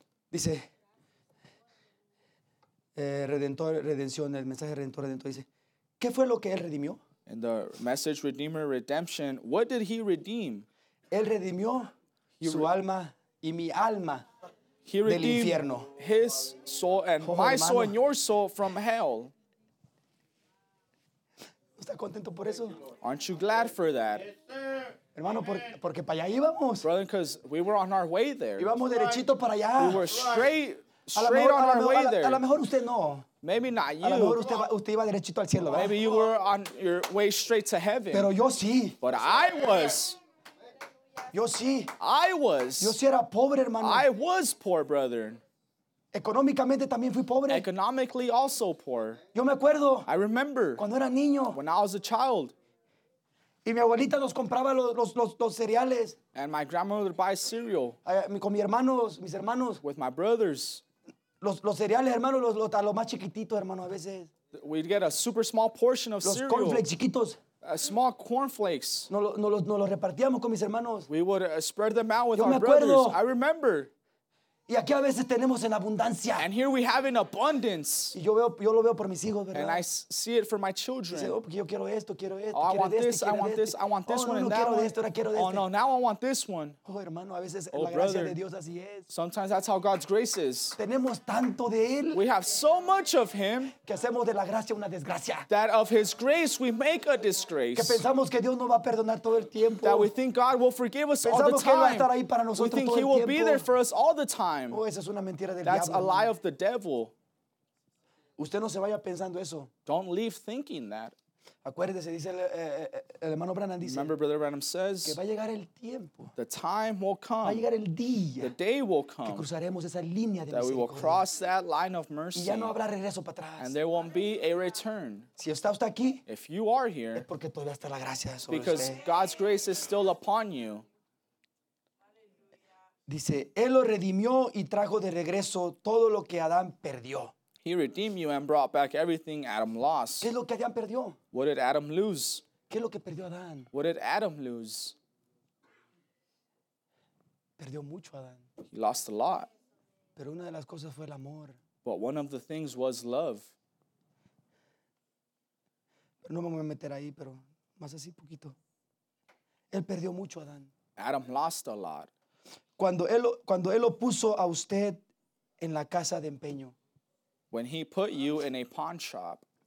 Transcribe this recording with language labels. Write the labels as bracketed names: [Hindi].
[Spanish] Dice, Redentor, Redención, el mensaje Redentor, Redentor, dice, ¿qué fue lo que él redimió? [English] In the message Redeemer, Redemption, what did he redeem? [Spanish] Él redimió su alma y mi alma del infierno. [English] His soul and oh, my hermano. Soul and your soul from hell. [Spanish] ¿No está contento por eso? [English] Aren't you glad for that? [Spanish] Hermano, porque para allá íbamos. [English] Brother, because we were on our way there. [Spanish] Íbamos derechito para allá. [English] We were straight on our way there. [Spanish] A lo mejor usted no. [English] Maybe not you. [Spanish] A lo mejor usted iba derechito al cielo, [English] maybe you were on your way straight to heaven. [Spanish] Pero yo sí. [English] But I was. [Spanish] Yo sí. [English] I was. [Spanish] Yo sí era pobre, hermano. [English] I was poor, brother. [Spanish] Económicamente también fui pobre. [English] Economically also poor. [Spanish] Yo me acuerdo. [English] I remember. [Spanish] Cuando era niño. [English] When I was a child. [Spanish] Y mi abuelita nos compraba los cereales. [English] And my grandmother would buy cereal. [Spanish] Con mis hermanos, mis hermanos. [English] With my brothers. [Spanish] Los cereales, hermano, los más chiquititos, hermano, a veces. [English] We'd get a super small portion of [Spanish] los [English] cereal. [Spanish] Los cornflakes chiquitos. [English] Small cornflakes. [Spanish] No los repartíamos con mis hermanos. [English] We would spread them out with [Spanish] Yo [English] our [Spanish] me acuerdo. [English] Brothers. I remember. [Spanish] Y aquí a veces tenemos en abundancia. [English] And here we have in abundance. [Spanish] Y yo lo veo por mis hijos, ¿verdad? [English] And I see it for my children. [Spanish] Dice, oh, yo quiero esto, quiero esto. [English] Oh, I want this, I want this, I want this [Spanish] oh, no, [English] one [Spanish] no, [English] and [Spanish] no [English] that [Spanish] quiero [English] one. [Spanish] Esto, ahora quiero este. [English] Oh, no, now I want this one. [Spanish] Oh, hermano, a veces [English] oh, [Spanish] la [English] brother. [Spanish] Gracia de Dios así es. [English] Sometimes that's how God's grace is. [Spanish] Tenemos tanto de él. [English] We have so much of him. [Spanish] Que hacemos de la gracia una desgracia. [English] That of his grace we make a disgrace. [Spanish] Que pensamos que Dios no va a perdonar todo el tiempo. [English] That we think God will forgive us [Spanish] pensamos [English] all the time. [Spanish] Que va a estar ahí para nosotros [English] we think [Spanish] todo [English] he [Spanish] el [English] will [Spanish] tiempo. [English] Be there for us all the time. [Spanish] Oh, esa es una mentira del [English] That's [Spanish] diablo, [English] a lie man. Of the devil. [Spanish] Usted no se vaya pensando eso. [English] Don't leave thinking that. [Spanish] Acuérdese, dice el hermano Branham dice. [English] Remember, Brother Branham says. [Spanish] Que va a llegar el tiempo. [English] The time will come. [Spanish] Va a llegar el día. [English] The day will come. [Spanish] Que cruzaremos esa línea de [English] that we will cross that line of mercy. [Spanish] Y ya no habrá regreso para atrás. [English] And there won't be a return. [Spanish] Si está usted aquí. [English] If you are here. [Spanish] Es porque todavía está la gracia sobre usted. [English] Because God's grace is still upon you. [Spanish] Dice, él lo redimió y trajo de regreso todo lo que Adán perdió. [English] He redeemed you and brought back everything Adam lost. [Spanish] ¿Qué es lo que Adán perdió? [English] What did Adam lose? [Spanish] ¿Qué es lo que perdió Adán? [English] What did Adam lose? [Spanish] Perdió mucho Adán. [English] He lost a lot. [Spanish] Pero una de las cosas fue el amor. [English] But one of the things was love. [Spanish] Pero no me voy a meter ahí, pero más así poquito. Él perdió mucho Adán. [English] Adam lost a lot. [Spanish] Cuando él lo puso a usted en la casa de empeño. [English] When he put you in a pawn shop.